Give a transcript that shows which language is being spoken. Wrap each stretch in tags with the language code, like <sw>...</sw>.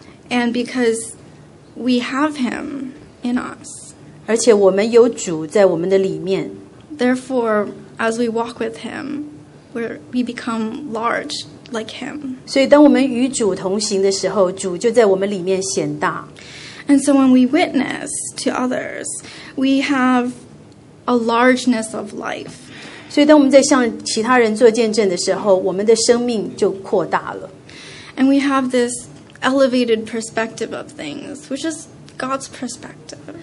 <en>And because we have Him in us.</en> <zh>而且我们有主在我们的里面。</zh> <en>Therefore, as we walk with Him, we become large like Him.</en> <zh>所以当我们与主同行的时候，主就在我们里面显大。</zh> <en>And so when we witness to others, we have a largeness of life.</en> <zh>所以当我们在向其他人做见证的时候，我们的生命就扩大了。</zh> <en>And we have this elevated perspective of things, which is God's perspective.</en>